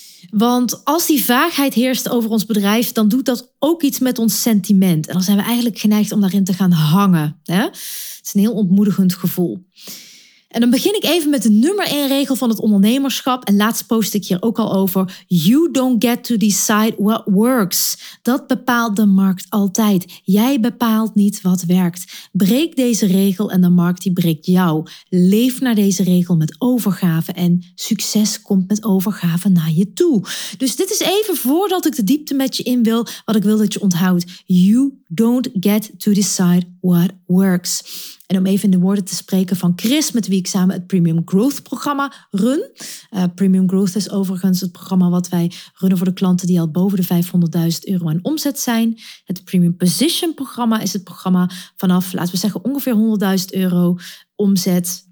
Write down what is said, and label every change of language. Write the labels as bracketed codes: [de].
[nl] Want als die vaagheid heerst over ons bedrijf, dan doet dat ook iets met ons sentiment. En dan zijn we eigenlijk geneigd om daarin te gaan hangen. Hè? Het is een heel ontmoedigend gevoel. En dan begin ik even met de nummer 1 regel van het ondernemerschap. En laatst post ik hier ook al over. [en] You don't get to decide what works. [nl] Dat bepaalt de markt altijd. Jij bepaalt niet wat werkt. Breek deze regel en de markt die breekt jou. Leef naar deze regel met overgave. En succes komt met overgave naar je toe. Dus dit is even voordat ik de diepte met je in wil. Wat ik wil dat je onthoudt. [en] You don't get to decide what works. [nl] En om even in de woorden te spreken van Chris, met wie ik samen het Premium Growth programma run. Premium Growth is overigens het programma wat wij runnen voor de klanten die al boven de 500.000 euro aan omzet zijn. Het Premium Position programma is het programma vanaf, laten we zeggen, ongeveer 100.000 euro omzet.